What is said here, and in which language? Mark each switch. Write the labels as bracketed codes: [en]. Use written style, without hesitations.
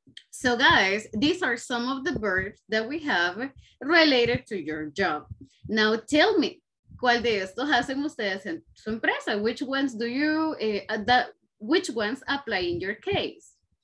[en] So guys, these are some of the verbs that we have related to your job. Now tell me, [es] ¿cuál de estos hacen ustedes en su empresa? [en] Which ones do you, which ones apply in your case?